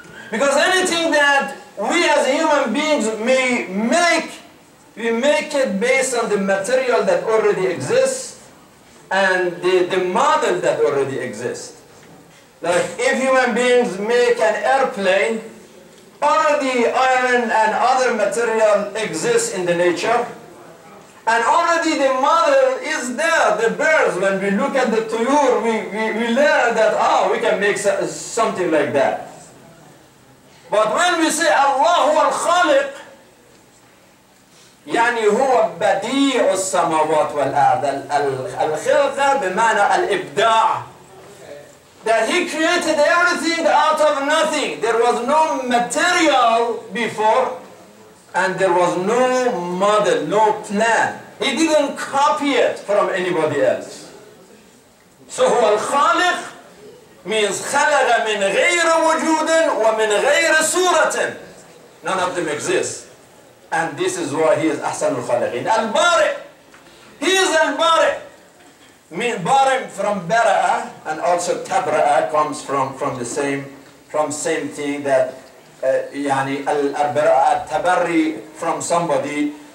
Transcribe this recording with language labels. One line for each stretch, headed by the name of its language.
English: Because anything that we as human beings may make, we make it based on the material that already exists and the model that already exists. Like if human beings make an airplane, all the iron and other material exists in the nature. And already the mother is there, the birds. When we look at the tuyur, we learn that, we can make something like that. But when we say
Arabic: Allah huwa al-Khaliq, يعني هو بديع السماوات والأرض الخلق بمعنى الإبداع.
English: That he created everything out of nothing. There was no material before, and there was no model, no plan. He didn't copy it from anybody else. So
Arabic: هو الخالق
English: means
Arabic: خلق من غير وجود ومن غير صورة.
English: None of them exist. And this is why he is
Arabic: أحسن الخالقين. البارئ.
English: He is
Arabic: البارئ.
English: Mean barim from bara'a, and also tabra'a comes from the same thing that yani al-bara'a, tabarri from somebody.